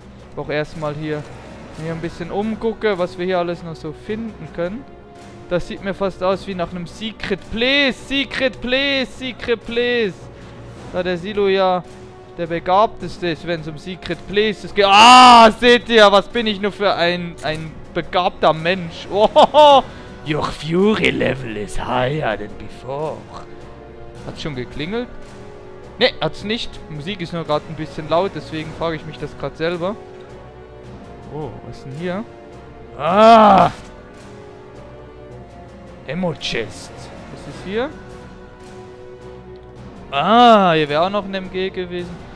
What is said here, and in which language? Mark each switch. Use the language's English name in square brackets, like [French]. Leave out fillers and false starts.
[German] Ich brauche erstmal hier mir ein bisschen umgucke, was wir hier alles noch so finden können. Das sieht mir fast aus wie nach einem Secret Place. Secret Place, Secret Place. Da der Silo ja der Begabteste ist, wenn es um Secret Places geht. Ah, seht ihr, was bin ich nur für ein begabter Mensch. Oh, [English] your Fury Level is higher than before. [German] Hat's schon geklingelt? Ne, hat's nicht. Musik ist nur gerade ein bisschen laut, deswegen frage ich mich das gerade selber. Oh, was ist denn hier? Ah! [English] Ammo Chest. [German] Was ist hier? Ah, hier wäre auch noch ein MG gewesen.